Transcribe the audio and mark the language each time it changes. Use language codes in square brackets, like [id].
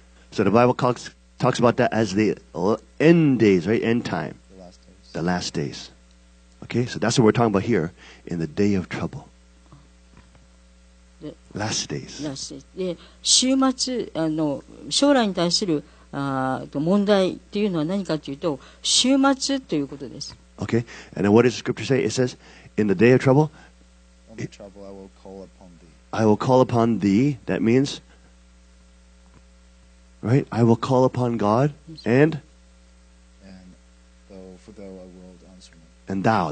[en] So the Bible talks about that as the end days, right? End time. The last days. The last days. Okay, so that's what we're talking about here in the day of trouble. Last days. Last days. [ja] で、週末、将来に対する問題っていうのは何かというと、週末ということです。 [en] Okay, and then what does the scripture say? It says, in the day of trouble, in the trouble I will call upon. I will call upon thee, that means, right? I will call upon God, and thou.